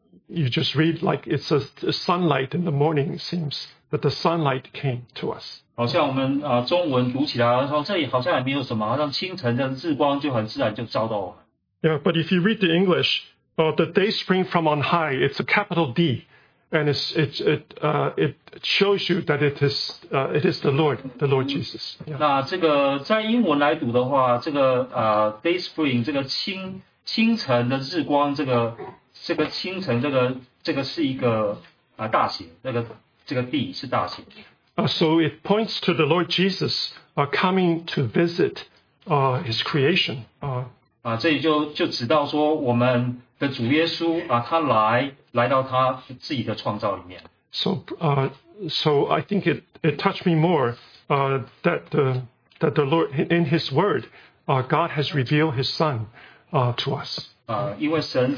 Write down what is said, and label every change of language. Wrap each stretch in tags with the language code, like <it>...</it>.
<en>You just read like it's a sunlight in the morning, it seems that the sunlight came to us.</en> <zh>好像我们, 中文读起来说,</zh> <en>yeah, but if you read the English, the day spring from on high, it's a capital D, and it shows you that it is the Lord Jesus. Yeah.</en> <zh>那这个在英文来读的话, 这个,</zh> <en>day spring,</en> <zh>这个清, 清晨的日光, 这个, 这个清晨, 这个, 这个是一个, 大写, 这个地是大写的。</zh> <en>So it points to the Lord Jesus coming to visit his creation.</en> <zh>这里就指到说我们的主耶稣 他来到他自己的创造里面。</zh> <en>So I think it touched me more that the Lord, in his word, God has revealed his son to us.</en>